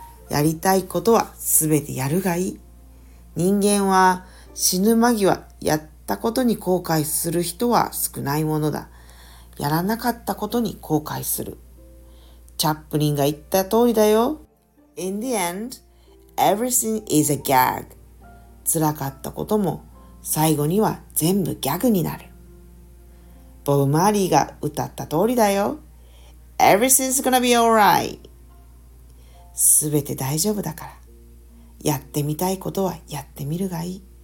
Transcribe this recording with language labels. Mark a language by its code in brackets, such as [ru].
[ja] やりたいことはすべてやるがいい。人間は死ぬ間際やったことに後悔する人は少ないものだ。やらなかったことに後悔する。チャップリンが言った通りだよ。 [en] In the end, everything is a gag. [ja] 辛かったことも最後には全部ギャグになる。ボブ・マーリーが歌った通りだよ。 [en] Everything's gonna be alright. [ja] 全て大丈夫だから、やってみたいことはやってみるがいい。